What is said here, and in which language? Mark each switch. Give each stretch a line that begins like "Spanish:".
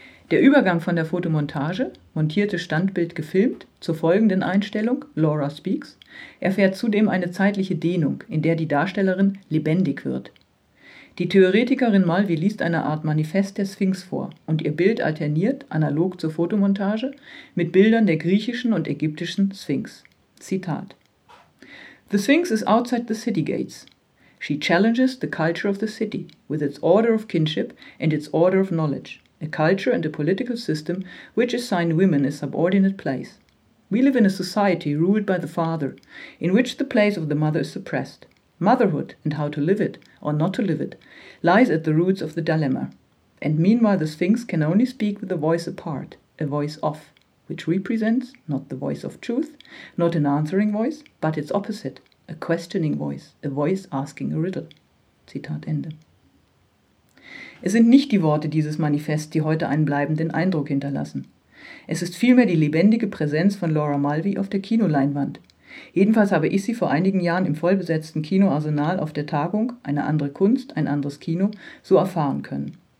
German: Der Übergang von der Fotomontage, montierte Standbild gefilmt, zur folgenden Einstellung, Laura Speaks, erfährt zudem eine zeitliche Dehnung, in der die Darstellerin lebendig wird. Die Theoretikerin Malvi liest eine Art Manifest der Sphinx vor und ihr Bild alterniert, analog zur Fotomontage, mit Bildern der griechischen und ägyptischen Sphinx.
English: Zitat: The Sphinx is outside the city gates. She challenges the culture of the city with its order of kinship and its order of knowledge, a culture and a political system which assign women a subordinate place. We live in a society ruled by the father, in which the place of the mother is suppressed. motherhood and how to live it or not to live it lies at the roots of the dilemma. And meanwhile, the Sphinx can only speak with a voice apart, a voice off, which represents not the voice of truth, not an answering voice, but its opposite, a questioning voice, a voice asking a riddle.
German: Zitat Ende. Es sind nicht die Worte dieses Manifests, die heute einen bleibenden Eindruck hinterlassen. Es ist vielmehr die lebendige Präsenz von Laura Mulvey auf der Kinoleinwand. Jedenfalls habe ich sie vor einigen Jahren im vollbesetzten Kinoarsenal auf der Tagung »Eine andere Kunst, ein anderes Kino« so erfahren können.